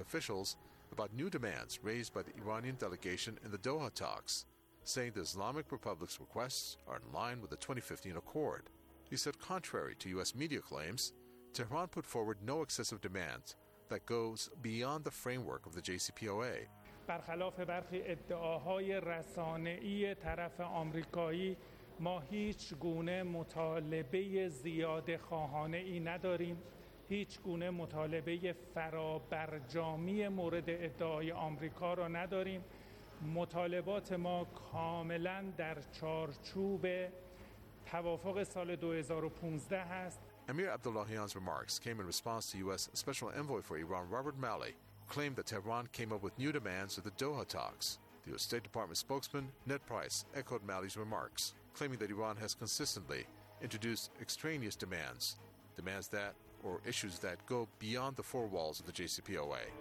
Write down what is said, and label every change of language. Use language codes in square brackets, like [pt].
[en] officials about new demands raised by the Iranian delegation in the Doha talks, saying the Islamic Republic's requests are in line with the 2015 accord. He said, contrary to U.S. media claims, Tehran put forward no excessive demands that goes beyond the framework of the JCPOA. [fa] برخلاف برخی ادعاهای رسانه‌ای طرف آمریکایی ما هیچ گونه مطالبه زیاد خواهانه ای نداریم هیچ گونه مطالبه فرابرجامی مورد ادعای آمریکا را نداریم مطالبات ما کاملا در چارچوب توافق سال 2015 است [en] امیر عبداللهیان's remarks came in response to US special envoy for Iran Robert Malley claimed that Tehran came up with new demands at the Doha talks. The U.S. State Department spokesman, Ned Price, echoed Malley's remarks, claiming that Iran has consistently introduced extraneous demands, demands that, or issues that, go beyond the four walls of the JCPOA.